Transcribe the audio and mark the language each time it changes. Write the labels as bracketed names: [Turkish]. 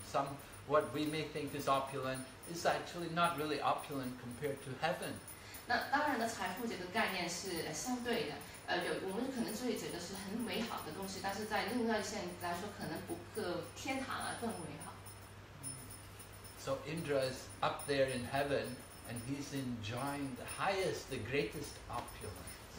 [English] Some what we may think is opulent is actually not really opulent compared to heaven. [Chinese] 那当然的，财富这个概念是相对的。我们可能这里觉得是很美好的东西，但是在另外一线来说，可能不个天堂啊更美好。 [English] So Indra is up there in heaven, and he's enjoying the highest, the greatest opulence.